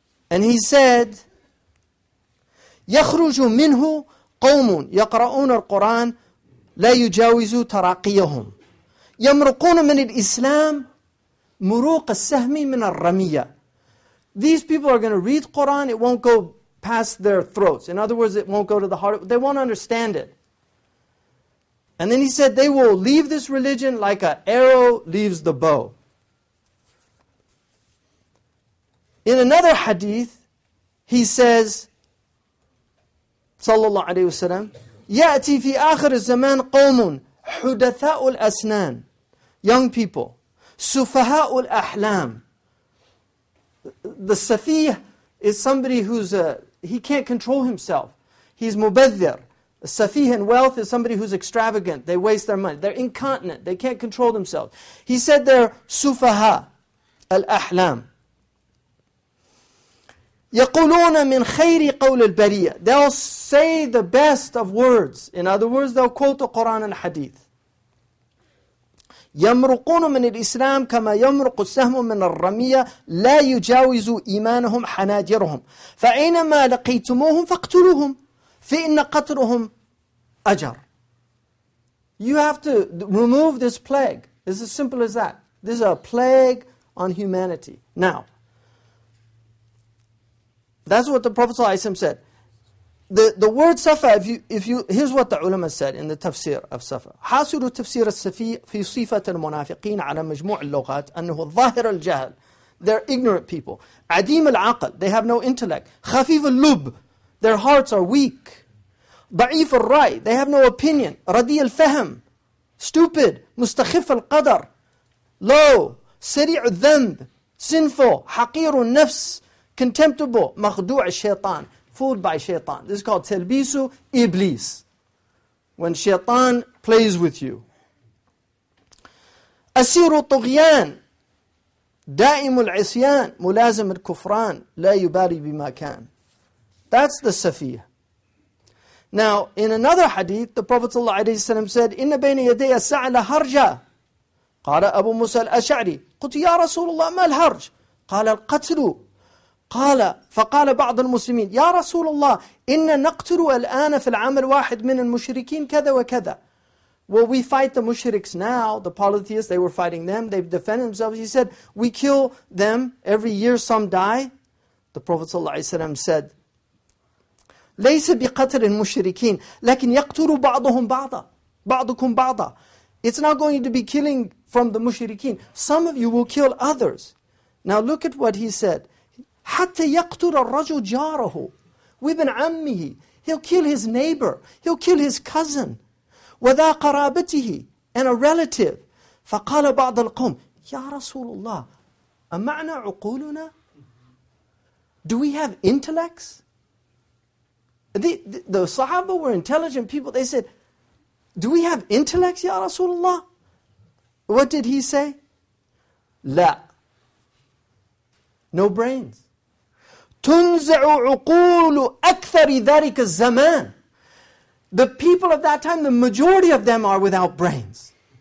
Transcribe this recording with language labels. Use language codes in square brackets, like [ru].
[en] And he said, [ar] يخرج منه قوم يقرؤون القرآن لا يجاوز تراقيهم يمرقون من الإسلام مروق السهم من الرمية. [en] These people are going to read Quran, it won't go past their throats. In other words, it won't go to the heart. They won't understand it. And then he said, they will leave this religion like an arrow leaves the bow. In another hadith, he says, [ar] صلى الله عليه وسلم, يأتي في آخر الزمان قوم حدثاء الأسنان, [en] young people, [ar] سفهاء الأحلام. [en] The safih is somebody who's he can't control himself. He's mubadhir. A safih in wealth is somebody who's extravagant. They waste their money. They're incontinent. They can't control themselves. He said they're sufaha al-ahlam. [ar] يَقُولُونَ مِنْ خَيْرِ قَوْلِ الْبَرِيَّةِ. [en] They'll say the best of words. In other words, they'll quote the Qur'an and Hadith. [ar] يَمْرُقُونَ مِنْ الْإِسْلَامِ كَمَا يَمْرُقُ السَّهْمُ مِنَ الرَّمِيَّةِ لَا يُجَاوِزُ إِيمَانَهُمْ حَنَاجِرُهُمْ فَأَيْنَمَا لَقِيْتُمُوهُمْ فَاقْتُلُوهُمْ فَإِنَّ قَتْلُهُمْ أَجَرٌ. [en] You have to remove this plague. It's as simple as that. This is a plague on humanity. Now, that's what the Prophet ﷺ said. The word safa, if you here's what the ulama said in the tafsir of safa. [ar] حاصل تفسير السفي في صفة المنافقين على مجموع اللغات أنه ظاهر الجهل. [en] They're ignorant people. [ar] عديم العقل. [en] They have no intellect. [ar] خفيف اللب. [en] Their hearts are weak. [ar] ضعيف الرأي. [en] They have no opinion. [ar] ردي الفهم. [en] Stupid. [ar] مستخف القدر. [en] Low. [ar] سريع الذنب. [en] Sinful. [ar] حقير النفس. [en] Contemptible, [ar] مخدوع الشيطان, [en] fooled by shaitan. This is called [ar] تلبيسو إبليس. [en] When shaitan plays with you. [ar] أسير الطغيان, دائم العصيان, ملازم الكفران, لا يباري بما كان. [en] That's the safiyah. Now, in another hadith, the Prophet [ar] صلى الله عليه وسلم [en] said, [ar] إِنَّ بَيْنَ يَدَيَ السَّعَ لَهَرْجَ. قال أبو موسى الأشعري, قلت يا رسول الله ما الهرج؟ قال القتل. قال فقال بعض المسلمين يا رسول الله إن نقتل الآن في العام الواحد من المشركين كذا وكذا. [en] Well, we fight the mushriks now, the polytheists, they were fighting them, they defend themselves. He said, we kill them, every year some die. The Prophet [ar] صلى الله عليه وسلم [en] said, [ar] ليس بقتل المشركين لكن يقتل بعضهم بعضا بعضكم بعضا. [en] It's not going to be killing from the mushrikeen. Some of you will kill others. Now look at what he said. [ar] حتى يقتل الرجل جاره وابن عمه. [en] He'll kill his neighbor. He'll kill his cousin. [ar] وذا قرابته, [en] and a relative. [ar] فقال بعض القوم يا رسول الله أمعنا عقولنا. [en] Do we have intellects? The Sahaba were intelligent people. They said, do we have intellects, [ar] يا رسول الله? [en] What did he say? [ar] لا. [en] No brains. [ar] تنزع عقول أكثر ذلك الزمان. [en] The people of that time, the majority of them are without brains.